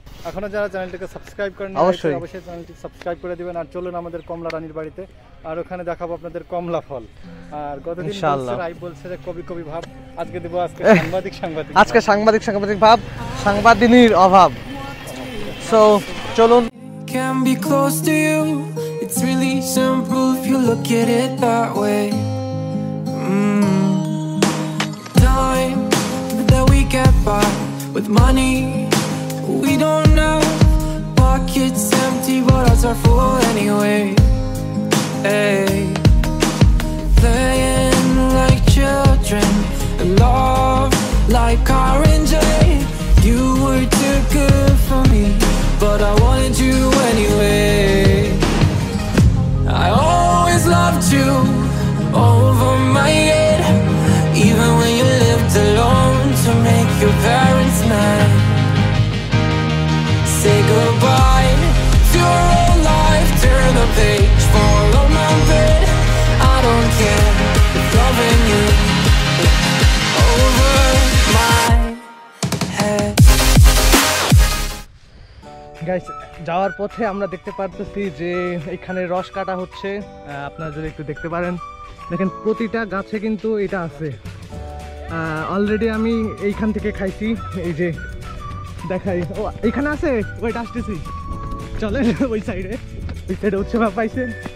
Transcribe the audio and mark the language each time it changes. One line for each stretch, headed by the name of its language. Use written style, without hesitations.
Bangla: এখনো যারা চ্যানেলটিকে সাবস্ক্রাইব করেন অবশ্যই অবশ্যই চ্যানেলটি সাবস্ক্রাইব করে দিবেন। আর চলুন আমাদের কমলা রানীর বাড়িতে, আর ওখানে দেখাবো আপনাদের কমলা ফল। আর গতদিন ইনশাআল্লাহ রাই বলছে যে কবি কবি ভাব, আজকে দেবো আজকে সাংবাদিক সাংবাদিক, আজকে সাংবাদিক সাংবাদিক ভাব, সাংবাদিনীর অভাব। সো চলুন।
English: Can be close to you, it's really simple if you look at it that way. Time that we get by with money we don't know, pockets empty but hearts are full anyway. Hey, playing like children and love like R&J. You were too good for me but I wanted you anyway. I always loved you over my head, even when you lived alone to make your parents mad. Say goodbye to your old life, turn the page, fall on my bed. I don't care if loving you over my head.
Bangla: Guys, যাওয়ার পথে আমরা দেখতে পারতেছি যে এখানে রস কাটা হচ্ছে। আপনারা যদি একটু দেখতে পারেন, দেখেন প্রতিটা গাছে কিন্তু এটা আছে। অলরেডি আমি এইখান থেকে খাইছি, এই যে দেখাই, ও এখানে আছে, ওইটা আসতেছি, চলেন ওই সাইডে, ওই সাইডে উচ্চ ভাব পাইছেন।